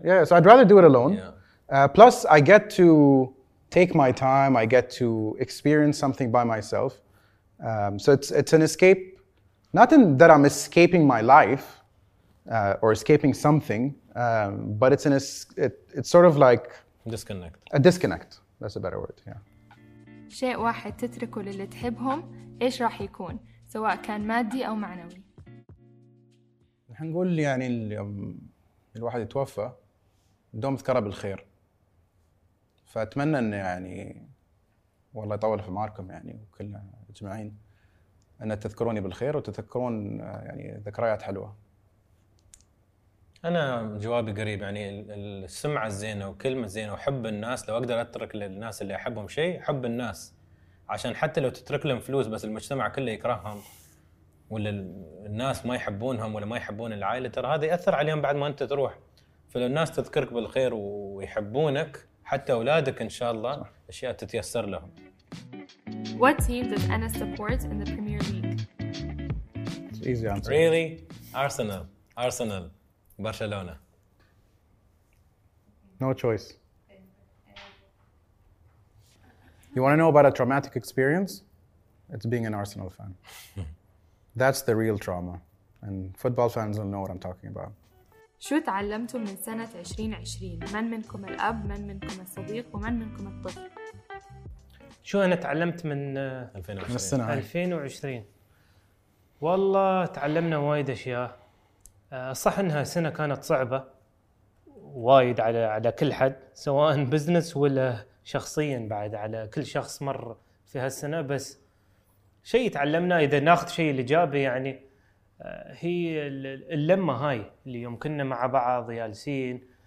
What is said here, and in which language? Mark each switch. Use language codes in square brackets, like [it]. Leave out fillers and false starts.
[en] Yeah, so I'd rather do it alone. Yeah. Plus, I get to take my time. I get to experience something by myself. So it's an escape. Not in that I'm escaping my life or escaping something, but it's it's sort of like... Disconnect. A disconnect. That's a better word, yeah. [ar] شيء واحد تتركه للي تحبهم إيش راح يكون سواء كان مادي أو معنوي. هنقول يعني الواحد يتوفى دوم ذكره بالخير. فأتمنى أن يعني والله يطول في معاركم يعني وكلنا أجمعين أن تذكروني بالخير وتذكرون يعني ذكريات حلوة. أنا جوابي قريب يعني السمعة الزينة وكلمة زينة وحب الناس لو أقدر أترك للناس اللي أحبهم شيء حب الناس عشان حتى لو تترك لهم فلوس بس المجتمع كله يكرههم ولا الناس ما يحبونهم ولا ما يحبون العائلة ترى هذا يأثر عليهم بعد ما أنت تروح فلو الناس تذكرك بالخير ويحبونك حتى أولادك إن شاء الله أشياء تتيسر لهم. [en] What team does Anas support in the Premier League? It's easy answer. Really? Arsenal. Arsenal. Barcelona. No choice. You want to know about a traumatic experience? It's being an Arsenal fan. That's the real trauma. And football fans will know what I'm talking about. [ar] شو تعلمتم من سنة 2020؟ من منكم الأب؟ من منكم الصديق؟ ومن منكم الطفل؟ شو أنا تعلمت من 2020؟ والله تعلمنا وايد أشياء. صح أنها سنة كانت صعبة وايد على كل حد سواء بزنس ولا شخصيا بعد على كل شخص مر في هالسنة بس شيء تعلمنا إذا ناخذ شيء الإيجابي يعني هي اللمة هاي اللي يوم كنا مع بعض جالسين